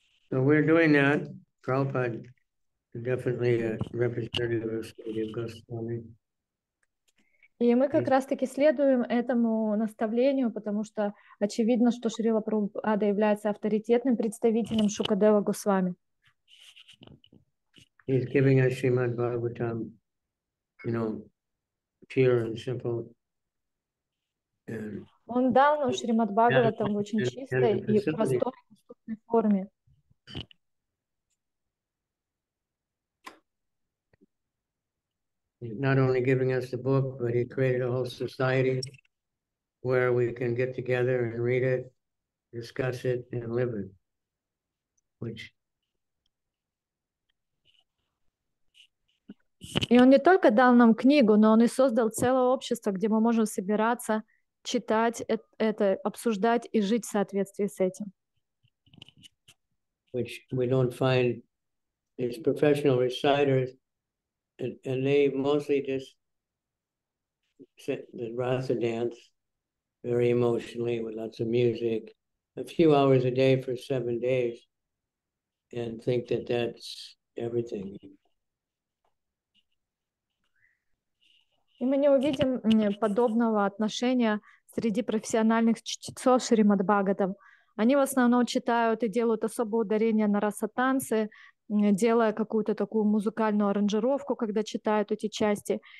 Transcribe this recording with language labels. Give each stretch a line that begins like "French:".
English: So we're doing that. Prabhupada definitely a representative of Sukadev Goswami.
Russian: И мы как раз-таки следуем этому наставлению, потому что очевидно, что Шрила Прабхупада является авторитетным представителем Шукадева Госвами.
English: He's giving us Srimad Bhagavatam, you know, pure and simple.
Russian: Он дал нам Шримад Бхагаватам в очень чистой и простой и доступной форме.
English: Not only giving us the book, but he created a whole society where we can get together and read it, discuss it, and live it, which...
Russian: И он не только дал нам книгу, но он и создал целое общество, где мы можем собираться, читать это, обсуждать и жить в соответствии с этим.
English: Which we don't find these professional reciters, and they mostly just sit the Rasa dance very emotionally with lots of music, a few hours a day for 7 days, and think that that's everything.
Russian: И мы не увидим подобного отношения среди профессиональных чтецов Шримад Бхагаватам. Они в основном читают и делают особое ударение на раса-танцы, делая какую-то такую музыкальную аранжировку, когда читают эти части.